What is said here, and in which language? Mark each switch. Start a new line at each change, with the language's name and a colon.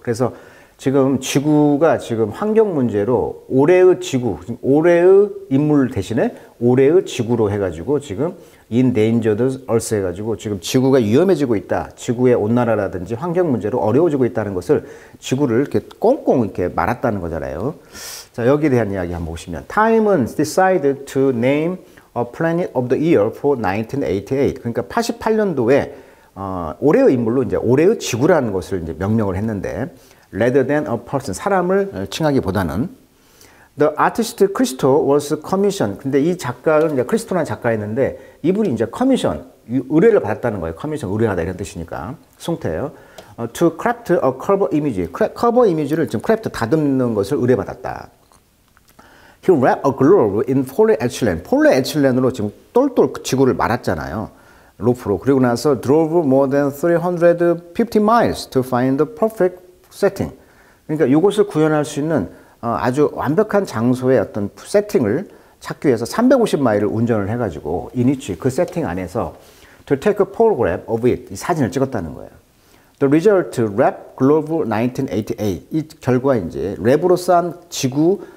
Korean: 그래서 지금 지구가 지금 환경 문제로 올해의 지구, 올해의 인물 대신에 올해의 지구로 해가지고 지금
English: Endangered Earth
Korean: 해가지고 지금 지구가 위험해지고 있다. 지구의 온난화라든지 환경 문제로 어려워지고 있다는 것을 지구를 이렇게 꽁꽁 이렇게 말았다는 거잖아요. 자, 여기에 대한 이야기 한번 보시면
English: Time은 decided to name a planet of the year for 1988.
Korean: 그러니까 88년도에 올해의 인물로 이제 올해의 지구라는 것을 이제 명명을 했는데,
English: rather than a person,
Korean: 사람을 칭하기보다는
English: The artist Christo was commissioned.
Korean: 근데 이 작가는 이제 크리스토라는 작가였는데 이분이 이제 커미션, 의뢰를 받았다는 거예요. 커미션, 의뢰하다 이런 뜻이니까 송태예요.
English: To craft a cover image,
Korean: 커버 이미지를 지금 크래프트 다듬는 것을 의뢰받았다.
English: He wrapped a globe in polyethylene.
Korean: 폴리에틸렌으로 지금 똘똘 지구를 말았잖아요. 로프로. 그리고 나서
English: drove more than 350 miles to find the perfect setting.
Korean: 그러니까 이것을 구현할 수 있는 아주 완벽한 장소의 어떤 세팅을 찾기 위해서 350마일을 운전을 해가지고 인위치 그 세팅 안에서
English: to take a photograph of it
Korean: 이 사진을 찍었다는 거예요.
English: The result, wrap globe 1988.
Korean: 이 결과 이제 랩으로 싼 지구